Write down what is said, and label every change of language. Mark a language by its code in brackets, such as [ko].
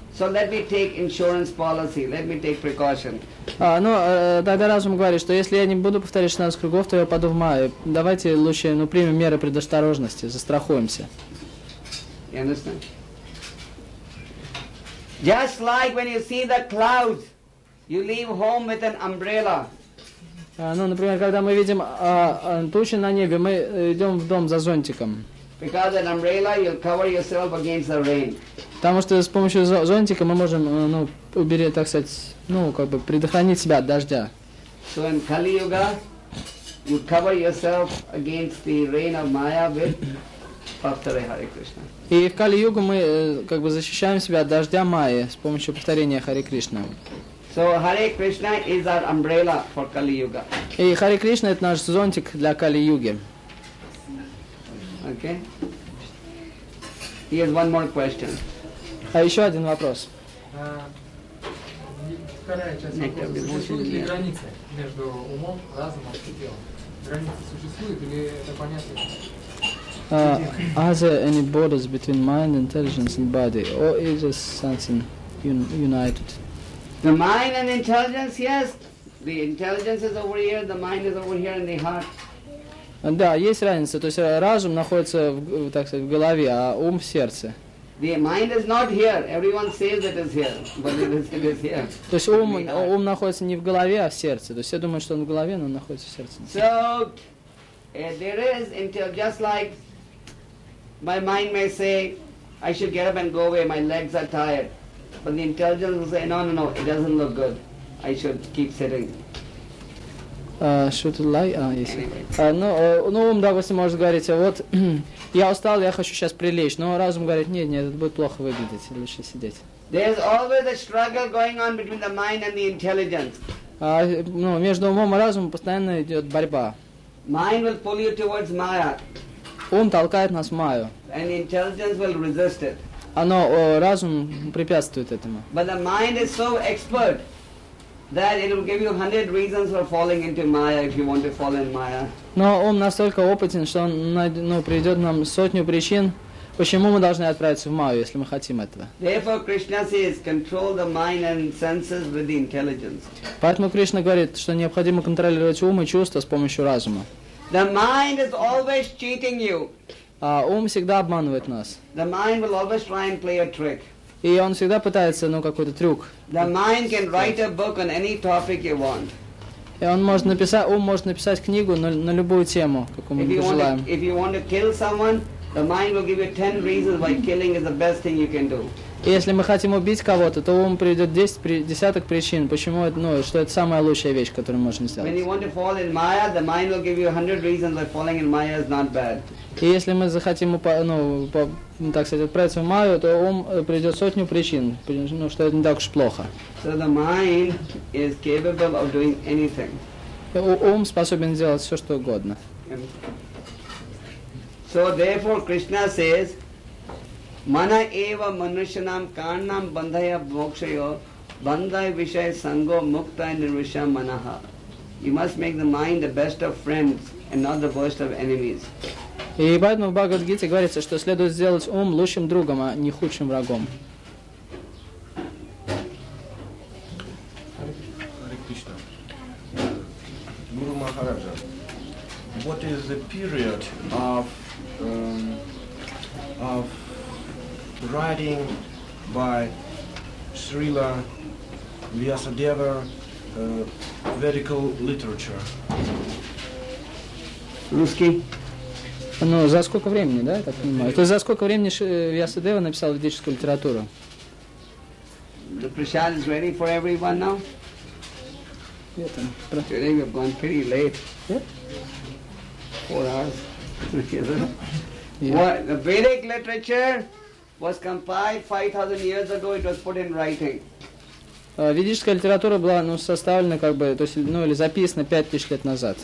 [en] So let me take insurance policy, let me take precaution. [ru] Ну, тогда разум говорит, что если я не буду повторять 16 кругов, то я упаду в Майю. Давайте лучше ну, примем меры предосторожности, застрахуемся. [en] You understand? Just like when you see the clouds, you leave home with an umbrella. [ru] Ну, например, когда мы видим тучи на небе, мы идем в дом за зонтиком. [en] Because an umbrella, you'll cover yourself against the rain. [ru] Потому что с помощью зонтика мы можем, ну, убери, так сказать, ну, как бы предохранить себя от дождя. [en] So in Kali Yuga, you cover yourself against the rain of Maya with Pavtare Hare Krishna. [ru] И в Кали-Югу мы как бы защищаем себя от дождя Майи с помощью повторения Hare Krishna. [en] So Hare Krishna is our umbrella for Kali Yuga. [ru] И Hare Krishna это наш зонтик для Кали-Юги. [en] Okay. Here's one more question. [ru] А еще один вопрос. Вторая часть вопроса. Существуют ли границы между умом, разумом и телом? Границы существуют или это понятно? [en] Are there any borders between mind, intelligence, and body, or is this something united? The mind and intelligence, yes. The intelligence is over here. The mind is over here in the heart. [ru] Да, есть разница. То есть разум находится, так сказать, в голове, а ум в сердце. [en] The mind is not here. Everyone says it is here, but it is here. [ru] То есть ум находится не в голове, а в сердце. То есть все думают, что он в голове, но он находится в сердце. [en] So there is until just like. My mind may say, I should get up and go away, my legs are tired. But the intelligence will say, no, no, no, it doesn't look good. I should keep sitting. Should lie? [ru] Если. Ну, ум, допустим, может говорить, вот, я устал, я хочу сейчас прилечь. Но разум говорит, нет, нет, это будет плохо выглядеть, лучше сидеть. [en] There's always a struggle going on between the mind and the intelligence. [ru] Ну, между умом и разумом постоянно идет борьба. [en] Mind will pull you towards Maya. [ru] Ум толкает нас в Майю. [en] And intelligence will resist it. [ru] Оно, разум препятствует этому. [en] But the mind is so expert that it will give you 100 reasons for falling into Maya if you want to fall in Maya. [ru] Но ум настолько опытен, что он ну, приведет нам сотню причин, почему мы должны отправиться в Майю, если мы хотим этого. [en] Therefore, Krishna says, control the mind and senses with the intelligence. [ru] Поэтому Кришна говорит, что необходимо контролировать ум и чувства с помощью разума. [en] The mind is always cheating you. [ru] Ум всегда обманывает нас. [en] The mind will always try and play a trick. [ru] И он всегда пытается, ну, какой-то трюк. [en] The mind can write a book on any topic you want. [ru] И он может написать, ум может написать книгу на любую тему, какую мы пожелаем. [en] If you want to kill someone, the mind will give you 10 reasons why killing is the best thing you can do. [ru] Если мы хотим убить кого-то, то ум приведет 10 причин, почему это, ну, что это самая лучшая вещь, которую можно сделать. [en] When you want to fall in Maya, the mind will give you 100 reasons why falling in Maya is not bad. [ru] И если мы захотим, ну, так сказать, отправиться в Майю, то ум приведет сотню причин, ну, что это не так уж плохо. [en] So the mind is capable of doing anything. [ru] Ум способен сделать все, что угодно. [en] So therefore Krishna says, [sa] mana eva manushanam karnam bandhaya bhokshayo bandhaya vishaya sango muktaya nirvisha manaha. [en] You must make the mind the best of friends and not the worst of enemies. [ru] И поэтому в Бхагавад-гите говорится, что следует сделать ум лучшим другом, а не худшим врагом. [en] Hare Krishna. Guru Maharaja, what is the period of writing by Srila Vyasadeva Vedical literature? [ru] Русский. Ну, за сколько времени, да, я так понимаю? То есть за сколько времени Вьясадева написал ведическую литературу? [en] The prasad is ready for everyone now? [ru] Где-то. [en] Today we've gone pretty late. Yeah? 4 hours. Yeah. What, the Vedic literature was compiled 5,000 years ago, it was put in writing. [ru] Ведическая литература была, ну, составлена, как бы, то есть, ну, или записана 5000 лет назад.